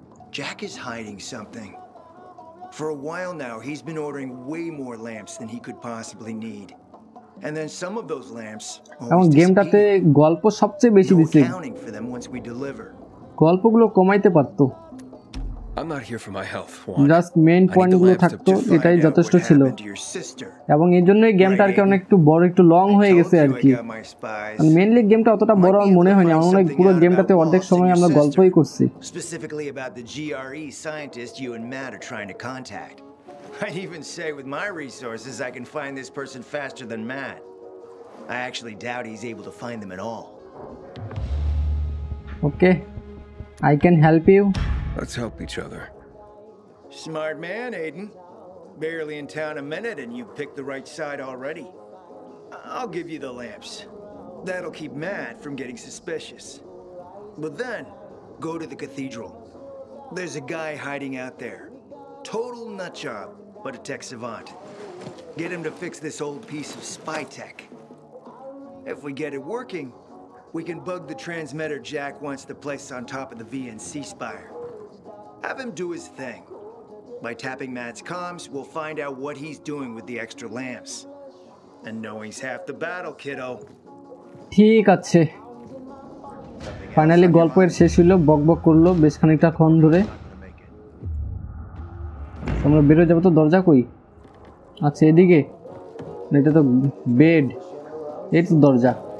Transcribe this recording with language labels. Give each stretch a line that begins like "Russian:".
English: Jack is hiding something. For a while now, he's been ordering way more lamps than he could possibly need. And then some of those lamps always disappear. No accounting for them once we deliver.
Bangla: গল্পগুলো কমাইতে পারতো।
English: I'm not here for my health. Just main point
Bangla: গুলো থাকতো এটাই যথেষ্ট ছিল। এবং এর জন্যই গেমটা আর কি অনেক একটু বড় একটু লং হয়ে গেছে আর কি। মানে মেইনলি গেমটা অতটা বড় আমার মনে হয়নি। আমার মনে হয় পুরো গেমটাতে অর্ধেক সময় আমরা গল্পই করছি।
English: Specifically about the GRE scientist you and Matt are trying to contact. I'd even say with my resources I can find this person faster than Matt. I actually doubt he's able to find them at all. Okay. I can help you. Let's help each other. Smart man, Aiden. Barely in town a minute and you've picked the right side already. I'll give you the lamps. That'll keep Matt from getting suspicious. But then, go to the cathedral. There's a guy hiding out there. Total nut job, but a tech savant. Get him to fix this old piece of spy tech. If we get it working, we can bug the transmitter Jack wants to place on top of the VNC spire. Have him do his thing. By tapping Matt's comms, we'll find out what he's doing with the extra lamps. And knowing's half the battle, kiddo.
Bangla: ঠিক আছে।
English: Something
Bangla: finally গল্পের শেষ হলো, বকবক করলো বেশ খানিকটা ক্ষণ ধরে। আমরা বেরো যাবো তো, দরজা কই? আচ্ছা এদিকে, এটা তো বেড, এই তো দরজা।